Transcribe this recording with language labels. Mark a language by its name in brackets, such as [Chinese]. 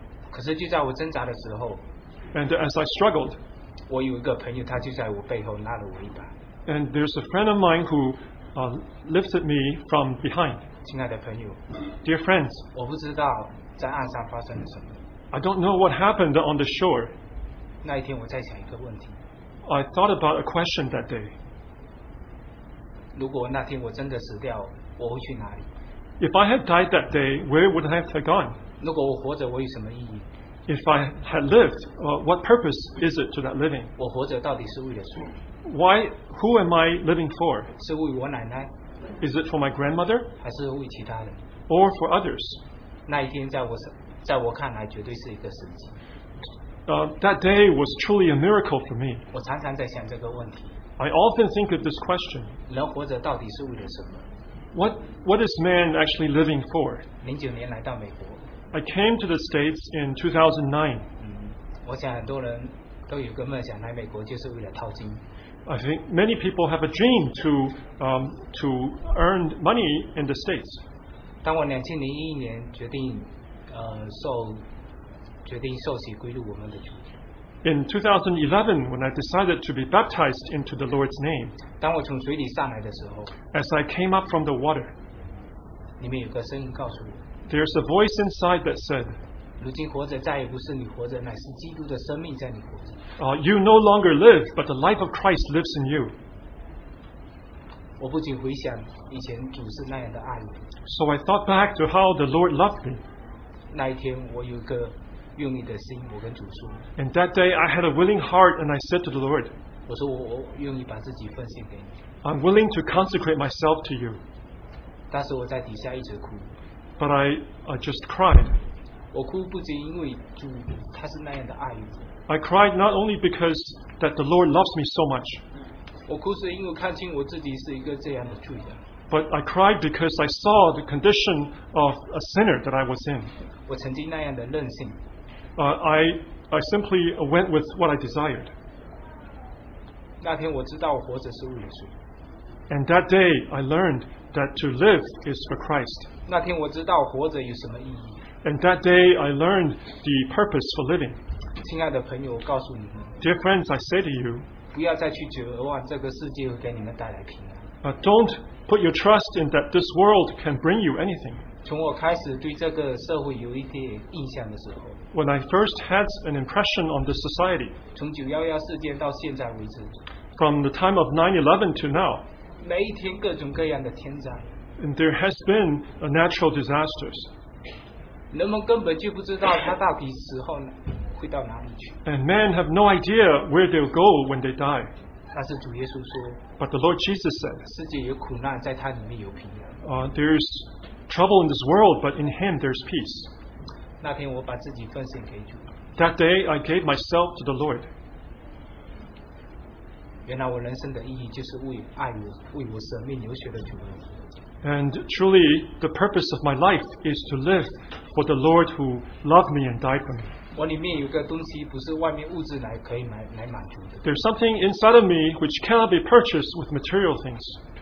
[Chinese] 可是就在我挣扎的时候。 [English] And as I struggled, [Chinese] 我有一个朋友，他就在我背后拉了我一把。 [English] And there's a friend of mine who lifted me from behind. [Chinese] 亲爱的朋友。 [English] Dear friends, [Chinese] 我不知道在岸上发生了什么。 [English] I don't know what happened on the shore. [Chinese] 那一天我在想一个问题。 [English] I thought about a question that day. [Chinese] 如果那天我真的死掉，我会去哪里？ [English] If I had died that day, where would I have gone? [Chinese] 如果我活着，我有什么意义？ [English] If I had lived, what purpose is it to that living? [Chinese] 我活着到底是为了什么？ [English] Why, who am I living for? [Chinese] 是为我奶奶？ [English] Is it for my grandmother? [Chinese] 还是为其他人？ [English] Or for others? [Chinese] 那一天在我看来绝对是一个神迹。 [English] That day was truly a miracle for me. [Chinese] 我常常在想这个问题。 [English] I often think of this question. [Chinese] 人活着到底是为了什么？ [English] What is man actually living for? [Chinese] 09年来到美国。 [English] I came to the States in 2009. [Chinese] 我想很多人都有个梦想，来美国就是为了淘金。 [English] I think many people have a dream to earn money in the States. [Chinese] 当我2011年决定受洗归入我们的主。 [English] In 2011, when I decided to be baptized into the Lord's name, [Chinese] 当我从水里上来的时候, [English] as I came up from the water, [Chinese] 里面有个声音告诉我, [English] there's a voice inside that said, [Chinese] 如今活着再也不是你活着, 乃是基督的生命在你活着。 [English] You no longer live, but the life of Christ lives in you. [Chinese] 我不仅回想以前主是那样的爱我。 [English] So I thought back to how the Lord loved me. [Chinese] 那一天我有个用你的心，我跟主说。 [English] And that day, I had a willing heart, and I said to the Lord, [Chinese] 我说我愿意把自己奉献给你。 [English] I'm willing to consecrate myself to you. [Chinese] 但是我在底下一直哭。 [English] But I just cried. [Chinese] 我哭不仅因为主他是那样的爱我。 [English] I cried not only because that the Lord loves me so much. [Chinese] 我哭是因为看清我自己是一个这样的罪人。 [English] But I cried because I saw the condition of a sinner that I was in. [Chinese] 我曾经那样的任性。 [English] I simply went with what I desired. [Chinese] 那天我知道活着是为了谁。 [English] And that day I learned that to live is for Christ. [Chinese] 那天我知道活着有什么意义。 [English] And that day I learned the purpose for living. [Chinese] 亲爱的朋友，我告诉你们。 [English] Dear friends, I say to you, [Chinese] 不要再去指望这个世界会给你们带来平安。 [English] Don't put your trust in that this world can bring you anything. [Chinese] 从我开始对这个社会有一些印象的时候。 [English] When I first had an impression on this society, [Chinese] 从911事件到现在为止, [English] from the time of 9/11 to now, [Chinese] 每一天各种各样的天灾, [English] and there has been a natural disasters. [Chinese] 人们根本就不知道他到底死后会到哪里去, [English] and men have no idea where they'll go when they die. [Chinese] 但是主耶稣说, [English] but the Lord Jesus said, [Chinese] 世界有苦难, 在他里面有平安, [English] there's trouble in this world, but in him there's peace. [Chinese] 那天我把自己奉献给主。 [English] That day I gave myself to the Lord. [Chinese] 原来我人生的意义就是为爱我、为我舍命流血的主。 [English] And truly, the purpose of my life is to live for the Lord who loved me and died for me. [Chinese] 我里面有个东西不是外面物质来可以来满足的。 [English] There's something inside of me which cannot be purchased with material things.